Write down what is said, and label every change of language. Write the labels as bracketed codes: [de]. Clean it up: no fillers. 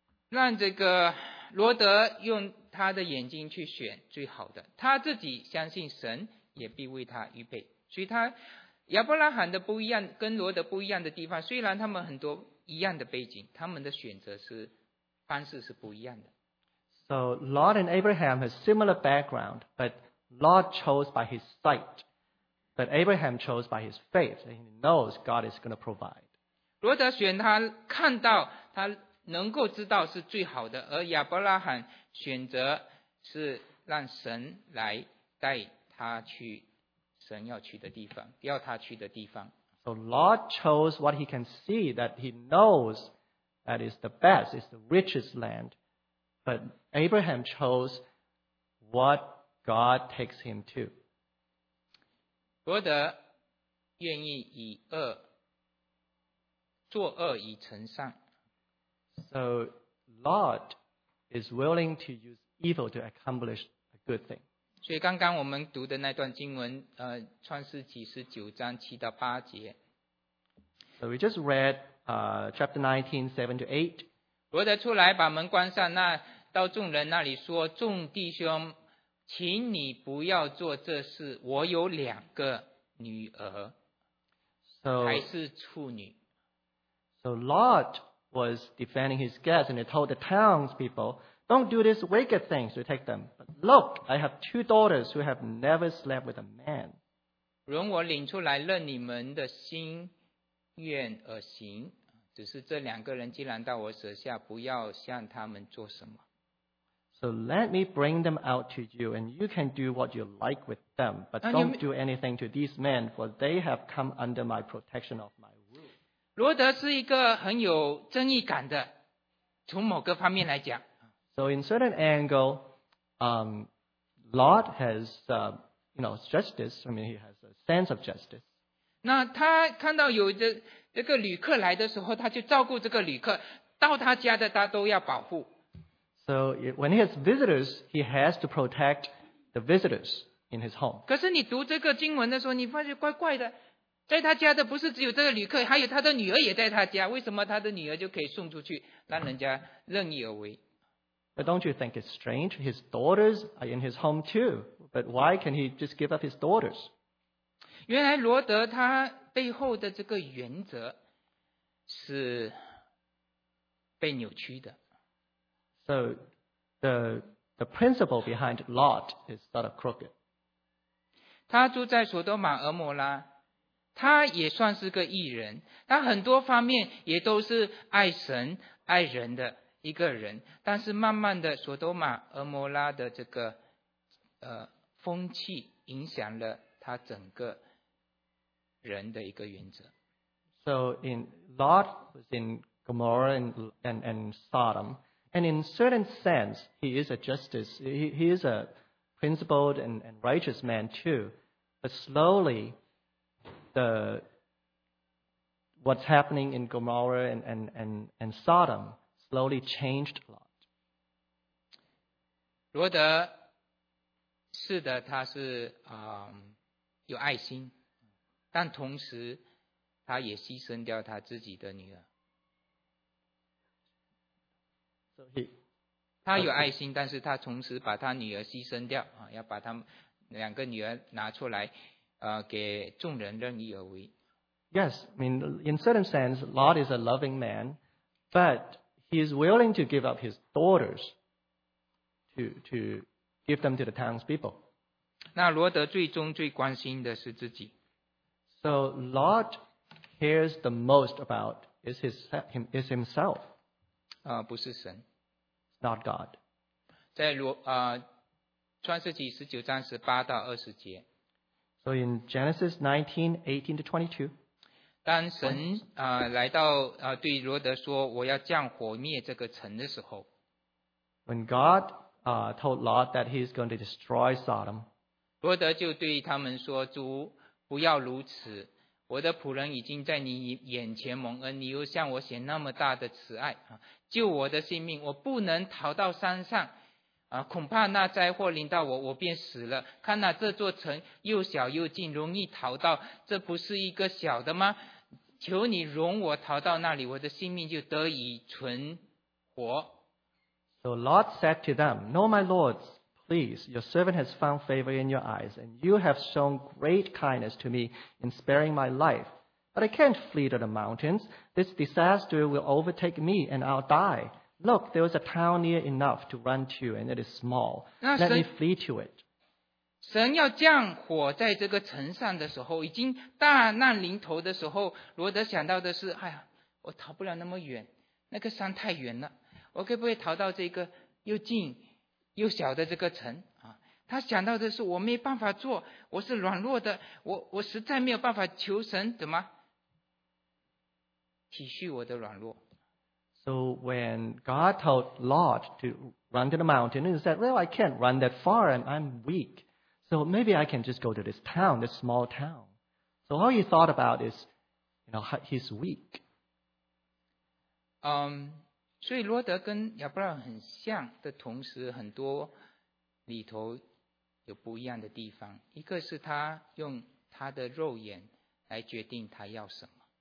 [zh] 让这个罗德用他的眼睛去选最好的，他自己相信神也必为他预备。所以他亚伯拉罕的不一样，跟罗德不一样的地方，虽然他们很多一样的背景，他们的选择是方式是不一样的。 [en] So Lot and Abraham have similar background, but Lot chose by his sight, but Abraham chose by his faith. He knows God is going to provide. [zh] 罗德选他看到他能够知道是最好的，而亚伯拉罕选择是让神来带他去神要去的地方，要他去的地方。 [en] So Lot chose what he can see that he knows that is the best, is the richest land. But Abraham chose what God takes him to. [zh] 罗德愿意以恶作恶以成善。 [en] So Lot is willing to use evil to accomplish a good thing. [zh] 所以刚刚我们读的那段经文，创世纪十九章七到八节。 [en] So we just read chapter 19:7-8. [zh] 罗德出来把门关上，那到众人那里说：“众弟兄，请你不要做这事。我有两个女儿， [en] so, [zh] 还是处女。” [en] So Lot. Was defending his guests, and he told the townspeople, "Don't do this wicked thing to take them. But look, I have two daughters who have never slept with a man." [zh] 容我领出来，任你们的心愿而行。只是这两个人既然到我手下，不要向他们做什么。 [en] So let me bring them out to you, and you can do what you like with them. But don't do anything to these men, for they have come under my protection of my. [zh] 罗德是一个很有正义感的，从某个方面来讲。 [en] So in certain angle, Lot has, you know, justice. I mean, he has a sense of justice. [zh] 那他看到有的这个旅客来的时候，他就照顾这个旅客，到他家的他都要保护。 [en] So when he has visitors, he has to protect the visitors in his home. [zh] 可是你读这个经文的时候，你发现怪怪的。在他家的不是只有这个旅客，还有他的女儿也在他家。为什么他的女儿就可以送出去，让人家任意而为 [en] ？But don't you think it's strange? His daughters are in his home too. But why can he just give up his daughters? [zh] 原来罗德他背后的这个原则是被扭曲的。 [en] So the principle behind Lot is sort of crooked. [zh] 他住在索多玛、俄摩拉。他也算是个义人，他很多方面也都是爱神爱人的一个人，但是慢慢的索多玛俄摩拉的这个风气影响了他整个人的一个原则。 [en] So in Lot was in Gomorrah and Sodom, and in certain sense he is a justice, he is a principled and righteous man too, but slowly. What's happening in Gomorrah and Sodom slowly changed a lot. [zh] 罗德是的，他是有爱心，但同时他也牺牲掉他自己的女儿。 [en] So he, [zh] 他有爱心，但是他同时把他女儿牺牲掉，要把他们两个女儿拿出来。给众人任意而为。 [en] Yes, I mean, in certain sense, Lot is a loving man, but he is willing to give up his daughters to give them to the townspeople. [zh] 那罗德最终最关心的是自己。 [en] So Lot cares the most about is himself. [zh] 不是神。 [en] It's not God. [zh] 在创世纪十九章十八到二十节。 [en] So in Genesis 19:18-22, [zh] 当神来到对罗德说我要降火灭这个城的时候 [en] ，When God told Lot that He is going to destroy Sodom, [zh] 罗德就对他们说：“主，不要如此，我的仆人已经在你眼前蒙恩，你又向我显那么大的慈爱啊，救我的性命，我不能逃到山上。” 恐怕那灾祸临到我，我便死了。看那这座城又小又近，容易逃到，这不是一个小的吗？求你容我逃到那里，我的性命就得以存活。 [en] So Lot said to them, "No, my lords, please, your servant has found favor in your eyes, and you have shown great kindness to me in sparing my life. But I can't flee to the mountains. This disaster will overtake me, and I'll die. Look, there is a town near enough to run to, and it is small. Let me flee to it." [zh] 神要降火在这个城上的时候，已经大难临头的时候，罗德想到的是，哎呀，我逃不了那么远，那个山太远了，我可不可以逃到这个又近又小的这个城啊？他想到的是，我没办法做，我是软弱的，我实在没有办法求神怎么体恤我的软弱。 [en] So when God told Lot to run to the mountain, he said, "Well, I can't run that far, and I'm weak. So maybe I can just go to this town, this small town." So all he thought about is, you know, he's weak. [zh] 所以罗德跟亚伯拉罕很像的同时，很多里头有不一样的地方。一个是他用他的肉眼来决定他要什么。